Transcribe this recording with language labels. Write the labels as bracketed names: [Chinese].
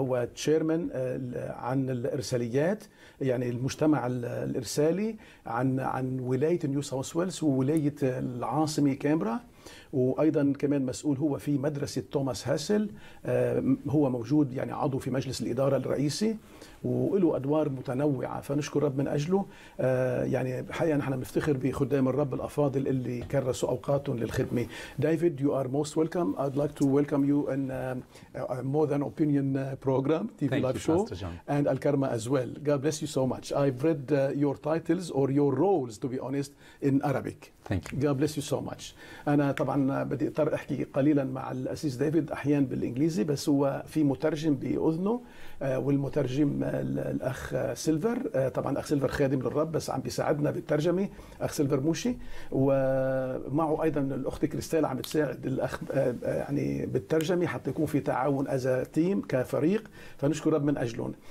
[Arabic] هو تشيرمن عن الإرساليات، يعني المجتمع الإرسالي عن ولاية نيو ساوث ويلز وولاية العاصمة كامبرا، وأيضا كمان مسؤول هو في مدرسة توماس هاسل. هو موجود يعني عضو في مجلس الإدارة الرئيسي وله أدوار متنوعة، فنشكر رب من أجله. يعني حقيقة نحن نفتخر بخدام الرب الأفاضل اللي كرسوا أوقاتهم للخدمة. [English] ديفيد، you are most welcome. I'd like to welcome you in more than opinion program TV live show and الكرمة as well. God bless you so much. I've read your titles or your roles to be honest in Arabic. Thank you. God bless you so much. [Arabic] أنا طبعا بدي أضطر أحكي قليلا مع الأسيس ديفيد أحيان بالإنجليزي، بس هو في مترجم بأذنه، والمترجم الأخ سيلفر. طبعا أخ سيلفر خادم للرب بس عم بيساعدنا بالترجمة، أخ سيلفر موشي، ومعه أيضا الأخت كريستال عم تساعد الأخ يعني بالترجمة حتى يكون في تعاون أزا تيم كفريق، فنشكر رب من أجلهم.